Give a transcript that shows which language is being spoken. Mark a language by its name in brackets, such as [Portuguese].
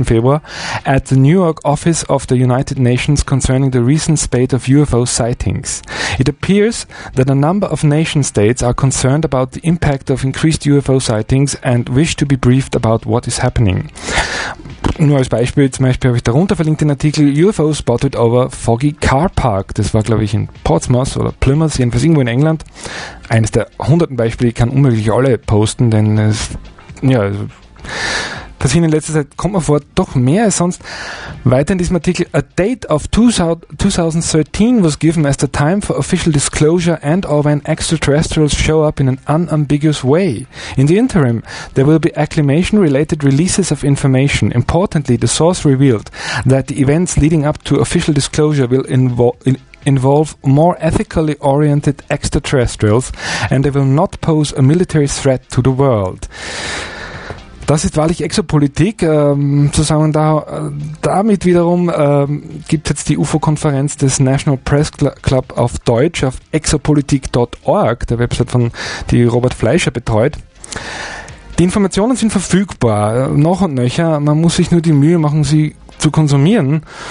[English] Februar, at the New York office of the United Nations concerning the recent spate of UFO sightings. It appears that a number of nation states are concerned about the impact of increased UFO sightings and wish to be briefed about what is happening. [German] Nur als Beispiel, zum Beispiel habe ich darunter verlinkt den Artikel [English] UFO spotted over foggy car park. [German] Das war, glaube ich, in Portsmouth oder Plymouth, jedenfalls irgendwo in England. Eines der hunderten Beispiele, ich kann unmöglich alle posten, denn es, ja, dass ich in letzter Zeit, kommt mir vor, doch mehr als sonst, weiter in diesem Artikel [English] A Date of 2013 was given as the time for official disclosure and or when extraterrestrials show up in an unambiguous way. In the interim, there will be acclimation-related releases of information. Importantly, the source revealed that the events leading up to official disclosure will involve more ethically oriented extraterrestrials and they will not pose a military threat to the world. [German] Das ist wahrlich Exopolitik. Zusammen damit wiederum gibt es jetzt die UFO-Konferenz des National Press Club auf Deutsch auf exopolitik.org, der Website von die Robert Fleischer betreut. Die Informationen sind verfügbar, noch und nöcher. Man muss sich nur die Mühe machen, sie zu konsumieren.